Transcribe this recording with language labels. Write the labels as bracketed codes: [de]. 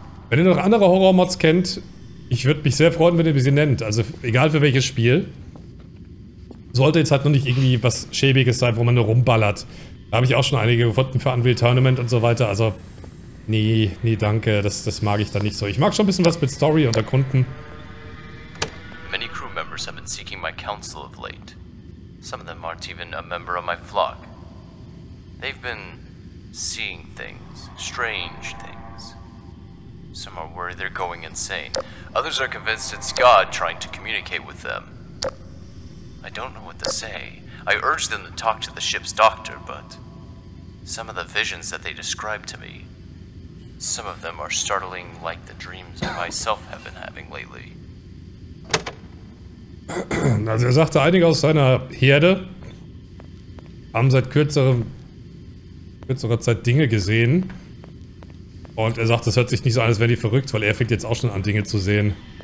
[de] Wenn ihr noch andere Horror-Mods kennt, ich würde mich sehr freuen, wenn ihr sie nennt. Also egal für welches Spiel. Sollte jetzt halt noch nicht irgendwie was Schäbiges sein, wo man nur rumballert. Da habe ich auch schon einige gefunden für Unreal Tournament und so weiter. Also nee, danke. Das mag ich dann nicht so. Ich mag schon ein bisschen was mit Story und Erkunden. [en] Many crew members have been seeking my counsel of late. Some of them aren't even a member of my flock. They've been seeing things, strange things. Some are worried they're going insane. Others are convinced it's God trying to communicate with them. I don't know what to say. I urge them to talk to the ship's doctor, but some of the visions that they describe to me, some of them are startling, like the dreams I myself have been having lately. [de] Also er sagte, einige aus seiner Herde haben seit kürzerer Zeit Dinge gesehen. Und er sagt, das hört sich nicht so an, als wären die verrückt, weil er fängt jetzt auch schon an, Dinge zu sehen.